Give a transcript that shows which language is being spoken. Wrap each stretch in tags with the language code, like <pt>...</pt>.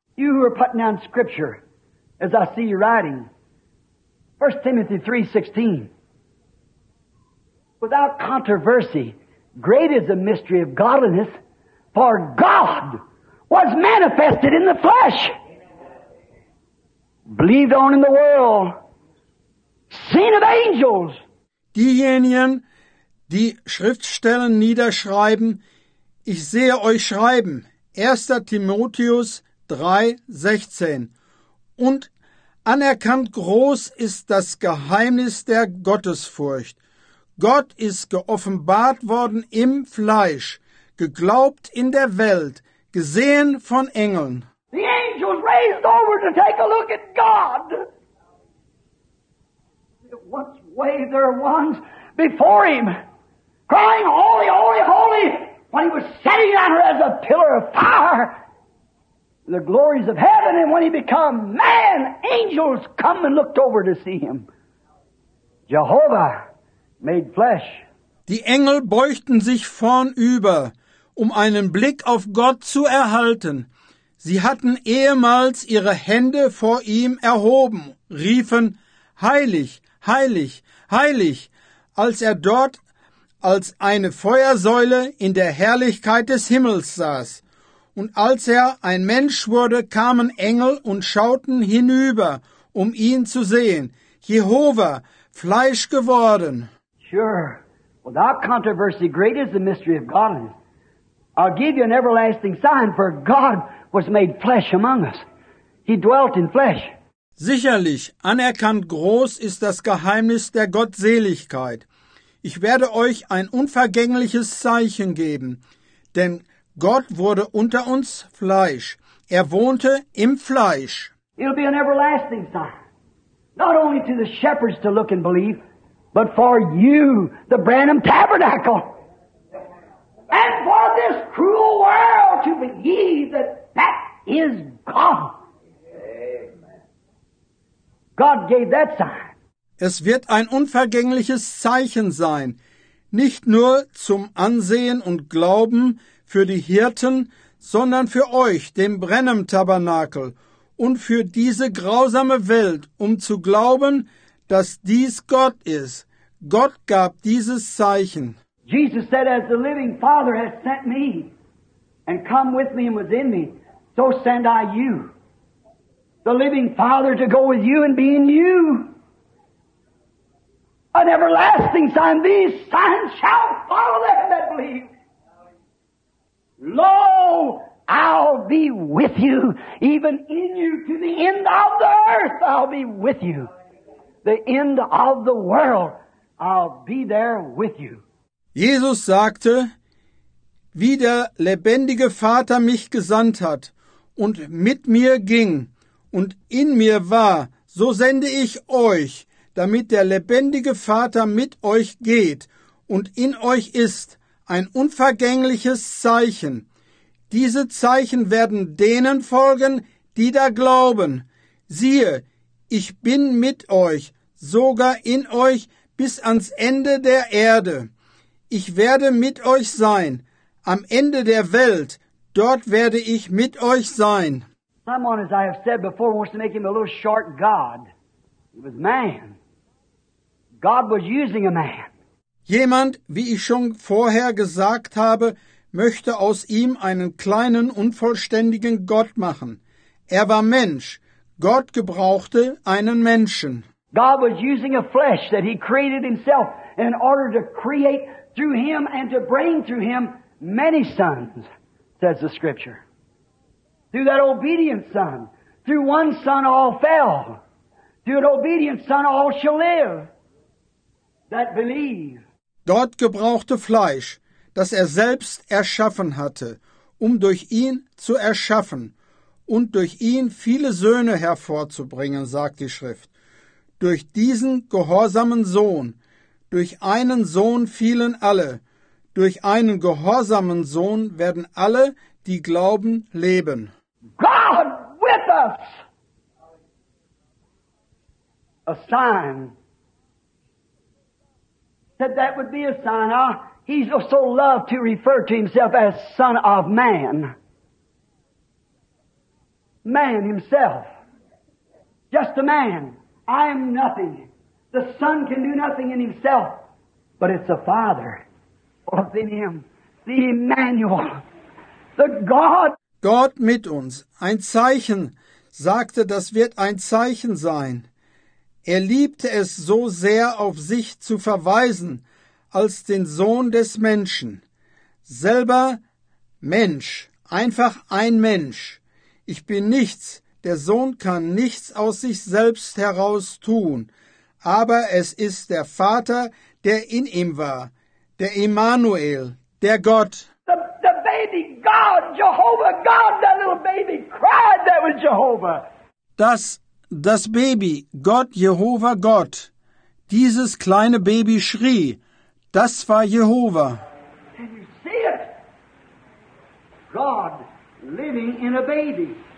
<en>You who are putting down scripture, as I see you writing, 1 Timothy 3:16. Without controversy, great is the mystery of godliness, for God was manifested in the flesh. Believed on in the world. Seen of angels.</en> <de>Diejenigen, die Schriftstellen niederschreiben, ich sehe euch schreiben. 1. Timotheus 3,16. Und anerkannt groß ist das Geheimnis der Gottesfurcht. Gott ist geoffenbart worden im Fleisch, geglaubt in der Welt, gesehen von Engeln.</de> <en>The angels angels raised over to take a look at God. Once waved their wands before him, crying, "Holy, holy, holy," when he was setting on her as a pillar of fire, the glories of heaven, and when he became man, angels come and looked over to see him. Jehovah made flesh.</en> <de>Die Engel beugten sich vornüber, um einen Blick auf Gott zu erhalten. Sie hatten ehemals ihre Hände vor ihm erhoben, riefen, "Heilig, heilig, heilig," als er dort als eine Feuersäule in der Herrlichkeit des Himmels saß. Und als er ein Mensch wurde, kamen Engel und schauten hinüber, um ihn zu sehen. Jehova, Fleisch geworden.</de> <en>Sure. Without controversy, great is the mystery of Godliness. I'll give you an everlasting sign, for God was made flesh among us. He dwelt in flesh.</en> <de>Sicherlich, anerkannt groß ist das Geheimnis der Gottseligkeit. Ich werde euch ein unvergängliches Zeichen geben, denn Gott wurde unter uns Fleisch. Er wohnte im Fleisch.</de> <en>It'll be an everlasting sign, not only to the shepherds to look and believe, but for you, the Branham Tabernacle, and for this cruel world to believe that that is God. God gave that sign.</en> <de>Es wird ein unvergängliches Zeichen sein, nicht nur zum Ansehen und Glauben für die Hirten, sondern für euch, dem Branham-Tabernakel, und für diese grausame Welt, um zu glauben, dass dies Gott ist. Gott gab dieses Zeichen.</de> <en>Jesus said, as the living Father has sent me and come with me and within me, so send I you. The living Father to go with you and be in you. An everlasting sign. These signs shall follow them that believe. Lo, I'll be with you, even in you, to the end of the earth I'll be with you. The end of the world I'll be there with you.</en> <de>Jesus sagte, wie der lebendige Vater mich gesandt hat und mit mir ging, und in mir war, so sende ich euch, damit der lebendige Vater mit euch geht und in euch ist, ein unvergängliches Zeichen. Diese Zeichen werden denen folgen, die da glauben. Siehe, ich bin mit euch, sogar in euch, bis ans Ende der Erde. Ich werde mit euch sein, am Ende der Welt, dort werde ich mit euch sein.</de> <en>Someone, as I have said before, wants to make him a little short God. He was man. God was using a man.</en> <de>Jemand, wie ich schon vorher gesagt habe, möchte aus ihm einen kleinen, unvollständigen Gott machen. Er war Mensch. Gott gebrauchte einen Menschen.</de> <en>God was using a flesh that he created himself in order to create through him and to bring through him many sons, says the scripture. Through that obedient son, through one son all fell. Through an obedient son all shall live, that believe.</en> <de>Gott gebrauchte Fleisch, das er selbst erschaffen hatte, um durch ihn zu erschaffen und durch ihn viele Söhne hervorzubringen, sagt die Schrift. Durch diesen gehorsamen Sohn, durch einen Sohn fielen alle, durch einen gehorsamen Sohn werden alle, die glauben, leben.</de> <en>God with us! A sign. Said that would be a sign. He so loved to refer to himself as Son of Man. Man himself. Just a man. I am nothing. The Son can do nothing in himself. But it's the Father was in him. The Emmanuel. The God.</en> <de>Gott mit uns, ein Zeichen, sagte, das wird ein Zeichen sein. Er liebte es so sehr, auf sich zu verweisen, als den Sohn des Menschen. Selber Mensch, einfach ein Mensch. Ich bin nichts, der Sohn kann nichts aus sich selbst heraus tun, aber es ist der Vater, der in ihm war, der Emmanuel, der Gott.</de> <en>Baby God, Jehovah God, that little baby cried, that was Jehovah.</en> <de>Das Baby, Gott, Jehovah, Gott. Dieses kleine Baby schrie. Das war Jehovah.</de> <en>Can you see it? God living in a baby.</en>